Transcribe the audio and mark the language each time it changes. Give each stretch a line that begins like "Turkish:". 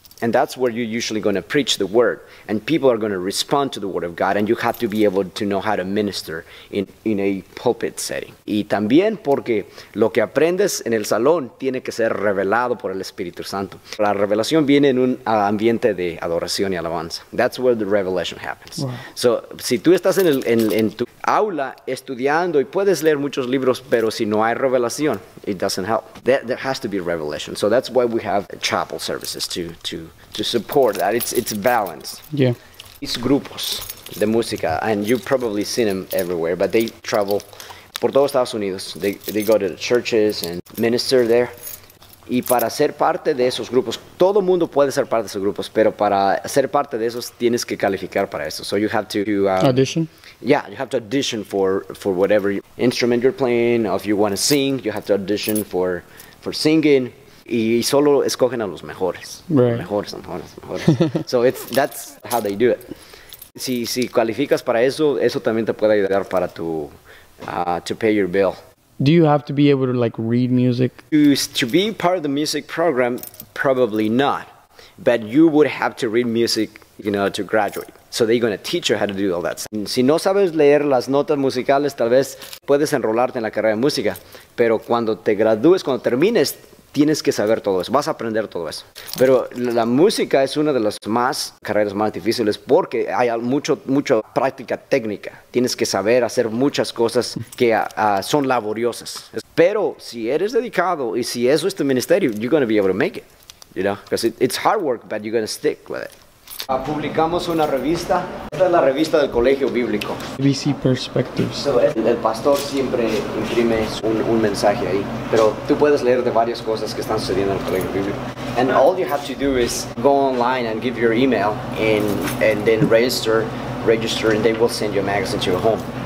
English: And that's where you're usually going to preach the word. And people are going to respond to the word of God. And you have to be able to know how to minister in a pulpit setting.
Spanish: Y también porque lo que aprendes en el salón tiene que ser revelado por el Espíritu Santo. La revelación viene en un ambiente de adoración y alabanza.
English: That's where the revelation happens. Wow.
Spanish: So, si tú estás en tu aula estudiando y puedes leer muchos libros, pero si no hay revelación,
English: it doesn't help. There has to be revelation. So that's why we have chapel services to support that. It's balanced. Yeah. It's
Spanish: grupos de música,
English: and you've probably seen them everywhere, but they travel
Spanish: por todos Estados Unidos.
English: They go to the churches and minister there.
Spanish: Y para ser parte de esos grupos, todo mundo puede ser parte de esos grupos, pero para ser parte de esos tienes que calificar para eso.
English: So you have to audition. Yeah, you have to audition for whatever instrument you're playing. If you want to sing, you have to audition for singing.
Spanish: Y solo escogen a los mejores.
English: Right.
Spanish: Mejores.
English: So that's how they do it.
Spanish: Si calificas para eso, eso también te puede ayudar para tu
English: to pay your bill. Do you have to be able to like read music? To be part of the music program, probably not. But you would have to read music, you know, to graduate. So they're going to teach you how to do all that.
Spanish: Si no sabes leer las notas musicales, tal vez puedes enrolarte en la carrera de música. Pero cuando te gradúes, cuando termines, tienes que saber todo eso. Vas a aprender todo eso. Pero la música es una de las carreras más difíciles porque hay mucha práctica técnica. Tienes que saber hacer muchas cosas que son laboriosas. Pero si eres dedicado y si eso es tu ministerio,
English: you're going to be able to make it. You know, because it's hard work, but you're going to stick with it.
Spanish: Publicamos una revista. Esta es la revista del colegio bíblico.
English: Ibc Perspectives.
Spanish: So, el pastor siempre imprime un mensaje ahí. Pero tú puedes leer de varias cosas que están sucediendo en el colegio bíblico.
English: And all you have to do is go online and give your email and then register and they will send you a magazine to your home.